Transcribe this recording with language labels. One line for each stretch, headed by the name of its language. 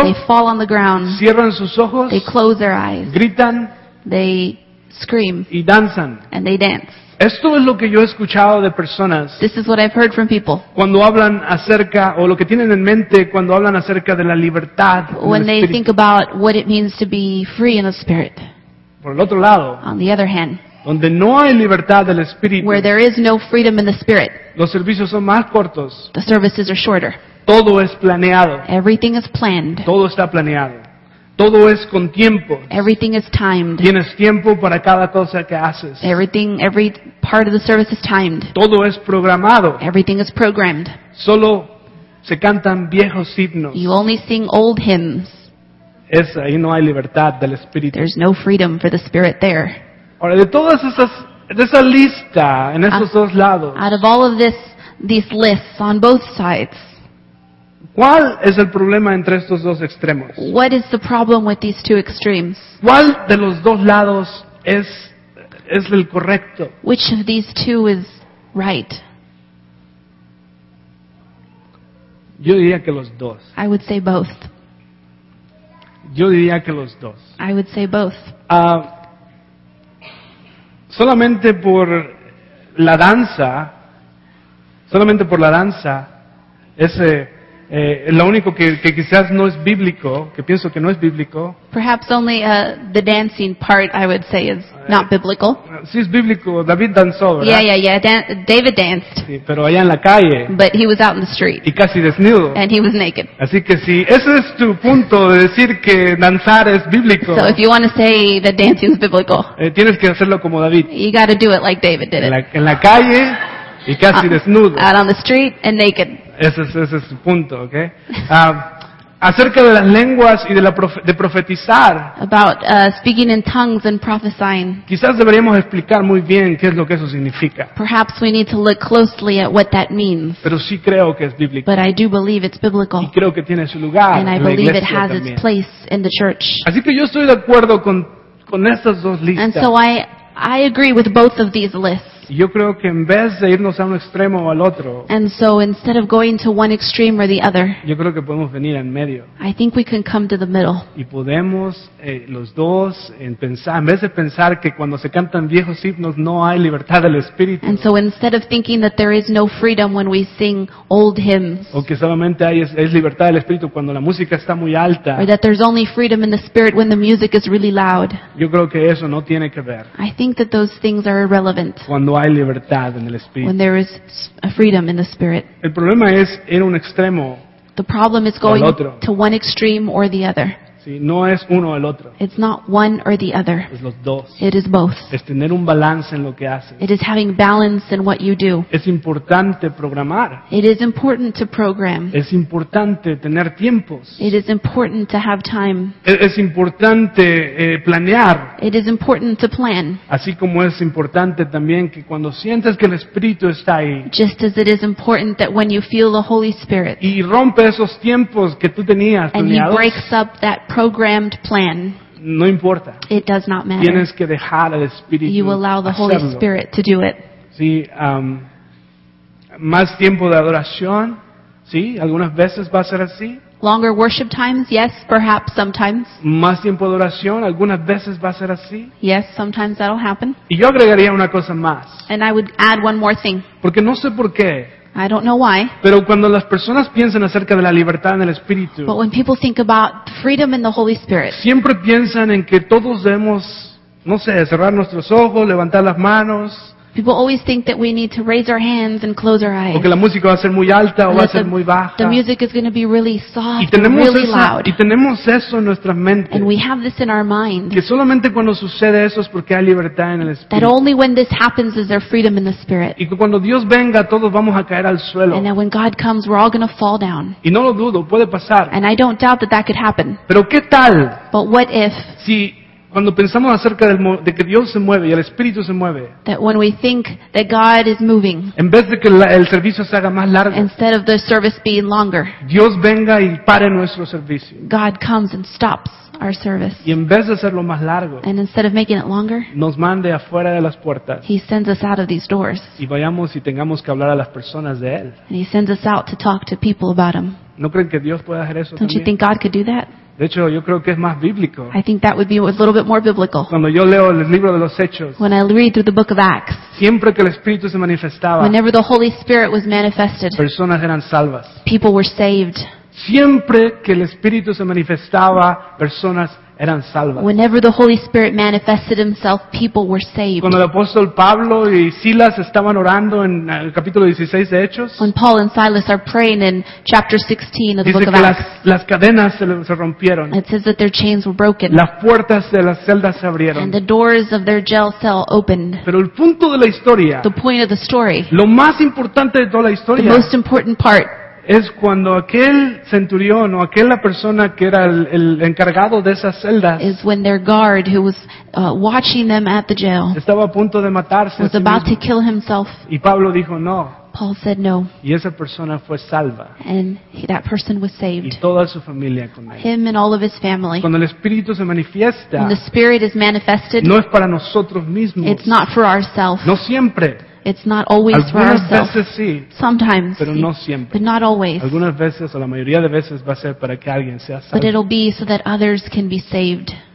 English: They fall on the ground.
Spanish: Cierran sus ojos.
English: They close their eyes.
Spanish: Gritan.
English: They scream.
Spanish: Y danzan.
English: And they dance.
Spanish: Esto es lo que yo he escuchado de personas.
English: This is what I've heard from people.
Spanish: Cuando hablan acerca o lo que tienen en mente cuando hablan acerca de la libertad.
English: When they think about what it means to be free in the Spirit.
Spanish: Por el otro lado.
English: On the other hand.
Spanish: Donde no hay libertad del Espíritu.
English: Where there is no freedom in the Spirit.
Spanish: Los servicios son más cortos.
English: The services are shorter.
Spanish: Todo es planeado.
English: Everything is planned.
Spanish: Todo está planeado. Todo es con tiempo.
English: Everything is timed.
Spanish: Tienes tiempo para cada cosa que haces.
English: Everything, every part of the service is timed.
Spanish: Todo es programado.
English: Everything is programmed.
Spanish: Solo se cantan viejos himnos.
English: You only sing old hymns.
Spanish: Es ahí no hay libertad del Espíritu.
English: There's no freedom for the Spirit there.
Spanish: Ahora, de todas esas, de esa lista, en esos dos lados.
English: Out of all of this, these lists on both sides.
Spanish: ¿Cuál es el problema entre estos dos extremos?
English: What is the problem with these two extremes?
Spanish: ¿Cuál de los dos lados es el correcto?
English: Which of these two is right?
Spanish: Yo diría que los dos.
English: I would say both.
Spanish: Yo diría que los dos.
English: I would say both.
Spanish: Solamente por la danza, lo único que quizás no es bíblico, que pienso que no es bíblico.
English: Perhaps only the dancing part, I would say, is not biblical.
Spanish: Sí es bíblico, David danzó, ¿verdad?
English: Yeah. David danced.
Spanish: Sí, pero allá en la calle.
English: But he was out in the street.
Spanish: Y casi desnudo.
English: And he was naked.
Spanish: Así que si ese es tu punto de decir que danzar es bíblico.
English: So if you want to say that dancing is biblical.
Spanish: Tienes que hacerlo como David.
English: You got to do it like David did it.
Spanish: En la calle y casi desnudo.
English: Out on the street and naked.
Spanish: Ese es su punto, ¿ok? Acerca de las lenguas y de profetizar.
English: About speaking in tongues and prophesying.
Spanish: Quizás deberíamos explicar muy bien qué es lo que eso significa.
English: Perhaps we need to look closely at what that means.
Spanish: Pero sí creo que es bíblico.
English: But I do believe it's biblical.
Spanish: Y creo que tiene su lugar en la iglesia también.
English: And I believe it has its place in the church.
Spanish: Así que yo estoy de acuerdo con estas dos listas.
English: And so I agree with both of these lists.
Spanish: Yo creo que en vez de irnos a un extremo o al otro,
English: and so instead of going to one extreme or the other,
Spanish: yo creo que podemos venir en medio.
English: I think we can come to the middle.
Spanish: Y podemos los dos en pensar, en vez de pensar que cuando se cantan viejos himnos no hay libertad del Espíritu.
English: And so instead of thinking that there is no freedom when we sing old hymns,
Spanish: o que solamente hay es libertad del Espíritu cuando la música está muy alta,
English: or that there's only freedom in the Spirit when the music is really loud,
Spanish: yo creo que eso no tiene que ver.
English: I think that those things are irrelevant.
Spanish: Cuando hay libertad en el Espíritu.
English: When there is a freedom in the Spirit.
Spanish: El problema es ir a un extremo.
English: The problem is going to one extreme or the other.
Spanish: Sí, no es uno el otro.
English: It's not one or the other.
Spanish: Es los dos.
English: It is both.
Spanish: Es tener un balance en lo que haces.
English: It is having balance in what you do.
Spanish: Es importante programar.
English: It is important to program.
Spanish: Es importante tener tiempos.
English: It is important to have time.
Spanish: Es importante planear.
English: It is important to plan.
Spanish: Así como es importante también que cuando sientes que el Espíritu está ahí.
English: Just as it is important that when you feel the Holy Spirit.
Spanish: Y rompe esos tiempos que tú tenías planeados.
English: And he breaks up that programmed plan.
Spanish: No importa.
English: It does not matter.
Spanish: Tienes que dejar al Espíritu hacerlo.
English: You allow the Holy Spirit to do it.
Spanish: Sí, más tiempo de adoración, sí, algunas veces va a ser así.
English: Longer worship times, yes, perhaps sometimes.
Spanish: Más tiempo de oración, algunas veces va a ser así.
English: Yes, sometimes that'll happen.
Spanish: Y yo agregaría una cosa más.
English: And I would add one more thing.
Spanish: Porque no sé por qué.
English: I don't know why.
Spanish: Pero cuando las personas piensan acerca de la libertad en el Espíritu.
English: But when people think about freedom in the Holy Spirit.
Spanish: Siempre piensan en que todos debemos, no sé, cerrar nuestros ojos, levantar las manos.
English: People always think that we need to raise our hands and close our eyes.
Spanish: Porque la música va a ser muy alta o va a ser muy baja.
English: The music is going to be really soft,
Spanish: y tenemos
English: really
Spanish: eso,
English: loud.
Spanish: Y tenemos eso en nuestras mentes.
English: And we have this in our mind.
Spanish: Que solamente cuando sucede eso es porque hay libertad en el Espíritu.
English: That only when this happens is there freedom in the Spirit.
Spanish: Y que cuando Dios venga todos vamos a caer al suelo.
English: And that when God comes we're all going to fall down.
Spanish: Y no lo dudo, puede pasar.
English: And I don't doubt that that could happen.
Spanish: Pero ¿qué tal?
English: But what if?
Spanish: Si cuando pensamos acerca de que Dios se mueve y el Espíritu se mueve,
English: that when we think that God is moving,
Spanish: en vez de que el servicio se haga más largo,
English: instead of the service being longer,
Spanish: Dios venga y pare nuestro servicio,
English: God comes and stops our service,
Spanish: y en vez de hacerlo más largo,
English: and instead of making it longer,
Spanish: nos mande afuera de las puertas,
English: he sends us out of these doors,
Spanish: y vayamos y tengamos que hablar a las personas de él,
English: and he sends us out to talk to people about him.
Spanish: ¿No creen que Dios pueda hacer eso?
English: Don't
Spanish: también?
English: You think God could do that?
Spanish: De hecho, yo creo que es más bíblico.
English: I think that would be a little bit more biblical.
Spanish: Cuando yo leo el libro de los Hechos,
English: when I read through the book of Acts,
Spanish: siempre que el Espíritu se manifestaba,
English: whenever the Holy Spirit was manifested,
Spanish: personas eran salvas.
English: People were saved.
Spanish: Siempre que el Espíritu se manifestaba, personas eran salvas.
English: Whenever the Holy Spirit manifested himself, people were saved.
Spanish: Cuando el apóstol Pablo y Silas estaban orando en el capítulo 16 de Hechos,
English: when Paul and Silas are praying in chapter 16 of the book of Acts,
Spanish: dice que las cadenas se rompieron.
English: It says that their chains were broken.
Spanish: Las puertas de las celdas se abrieron.
English: And the doors of their jail cell opened.
Spanish: Pero el punto de la historia,
English: the point of the story,
Spanish: lo más importante de toda la historia,
English: the most important part,
Spanish: es cuando aquel centurión o aquella persona que era el encargado de esas celdas,
English: is when their guard who was watching them at the jail,
Spanish: estaba a punto de matarse,
English: was about to kill himself,
Spanish: y Pablo dijo no.
English: Paul said no.
Spanish: Y esa persona fue salva.
English: And that person was saved.
Spanish: Y toda su familia con él.
English: Him and all of his family.
Spanish: Cuando el Espíritu se manifiesta,
English: when the Spirit is manifested,
Spanish: no es para nosotros mismos.
English: It's not for ourselves.
Spanish: No siempre.
English: It's not always
Spanish: algunas
English: for ourselves.
Spanish: Veces sí,
English: sometimes,
Spanish: pero no siempre.
English: But not always.
Spanish: Algunas veces o la mayoría de veces va a ser para que alguien sea salvo.
English: But it'll be so that others can be saved.